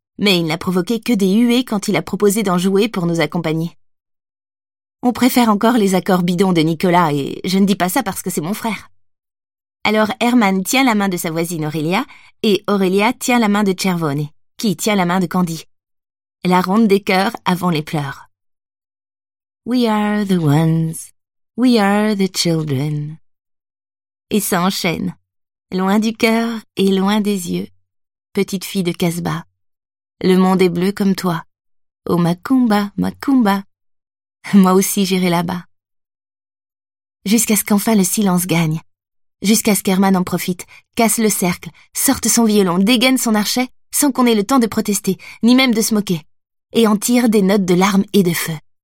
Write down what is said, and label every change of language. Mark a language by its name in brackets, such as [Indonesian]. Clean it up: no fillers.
[French] Mais il n'a provoqué que des huées quand il a proposé d'en jouer pour nous accompagner. On préfère encore les accords bidons de Nicolas, et je ne dis pas ça parce que c'est mon frère. Alors, Herman tient la main de sa voisine Aurélia, et Aurélia tient la main de Cervone, qui tient la main de Candy. La ronde des cœurs avant les pleurs. [English] We are the ones, we are the children. [French] Et ça enchaîne. Loin du cœur et loin des yeux, petite fille de Casbah. Le monde est bleu comme toi. Oh Macumba, Macumba. Moi aussi j'irai là-bas. Jusqu'à ce qu'enfin le silence gagne. Jusqu'à ce qu'Herman en profite, casse le cercle, sorte son violon, dégaine son archet, sans qu'on ait le temps de protester, ni même de se moquer, et en tire des notes de larmes et de feu.